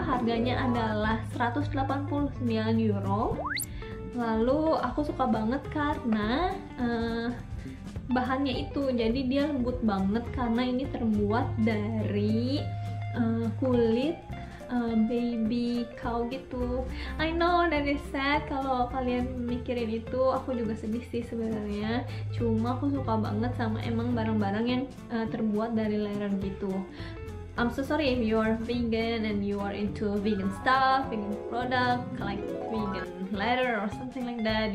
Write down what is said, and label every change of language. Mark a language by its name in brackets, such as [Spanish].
[Indonesian] Harganya adalah 189 euro. Lalu aku suka banget karena bahannya itu. Jadi dia lembut banget karena ini terbuat dari kulit baby cow gitu. [English] I know that is sad [Indonesian] kalau kalian mikirin itu. Aku juga sedih sih sebenarnya. Cuma aku suka banget sama emang barang-barang yang terbuat dari leather gitu. [English] I'm so sorry if you are vegan and you are into vegan stuff, vegan product, like vegan leather or something like that.